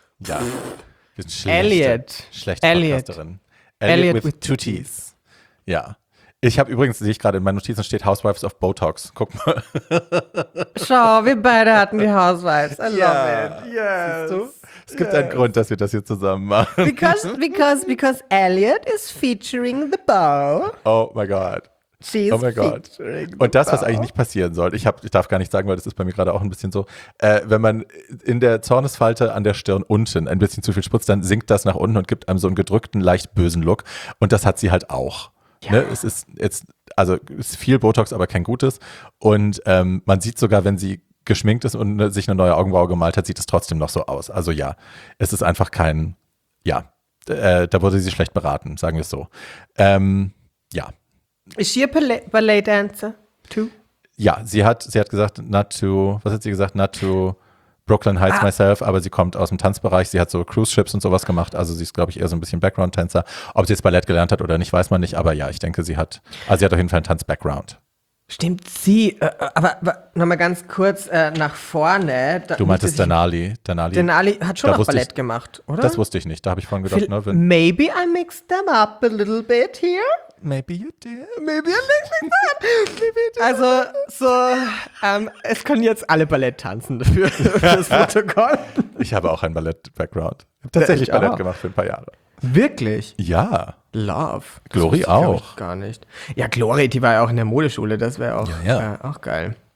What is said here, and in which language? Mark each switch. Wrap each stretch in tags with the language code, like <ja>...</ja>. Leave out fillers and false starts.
<de>Ja. Wir sind schlechte Podcasterin.</de> <en>Elliot with two T's. Ja.</en> <de>Ich habe übrigens, sehe ich gerade, in meinen Notizen steht Housewives of Botox. Guck mal. Schau, wir beide hatten die Housewives.</de> <en>I love it. Yes. Siehst du?</en> <de>Es gibt einen Grund, dass wir das hier zusammen machen.</de> <en>Because Elliot is featuring the bow. Oh my God. She's oh my God.</en> <de>Und das, was eigentlich nicht passieren soll, ich darf gar nicht sagen, weil das ist bei mir gerade auch ein bisschen so, wenn man in der Zornesfalte an der Stirn unten ein bisschen zu viel spritzt, dann sinkt das nach unten und gibt einem so einen gedrückten, leicht bösen Look. Und das hat sie halt auch. Ja. Ne, es ist jetzt, also es ist viel Botox, aber kein Gutes. Und man sieht sogar, wenn sie geschminkt ist und sich eine neue Augenbraue gemalt hat, sieht es trotzdem noch so aus. Also ja, es ist einfach kein, ja, da wurde sie schlecht beraten, sagen wir es so. Ja. Ist sie ein Ballet Dancer too? Ja, sie hat gesagt,</de> <en>not to Brooklyn Heights myself,</en> <de>aber sie kommt aus dem Tanzbereich, sie hat so Cruise Ships und sowas gemacht, also sie ist, glaube ich, eher so ein bisschen Background-Tänzer. Ob sie jetzt Ballett gelernt hat oder nicht, weiß man nicht, aber ja, ich denke, sie hat auf jeden Fall einen Tanz-Background. Stimmt, sie, aber nochmal ganz kurz nach vorne. Da, du meintest Denali. Denali. Denali hat schon noch Ballett gemacht, oder? Das wusste ich nicht, da habe ich vorhin gedacht.</de> <en>Maybe I mixed them up a little bit here. Maybe you did. Maybe a little bit. Maybe you did.</en> <de>Also, so, es können jetzt alle Ballett tanzen dafür, für das Protokoll. Ich habe auch einen Ballett-Background. Ich habe tatsächlich Ballett gemacht für ein paar Jahre. Wirklich? Ja.</de> <en>Love.</en> <de>Das Glory auch. Gar nicht. Ja, Glory, die war ja auch in der Modeschule, das wäre auch, auch geil.</de>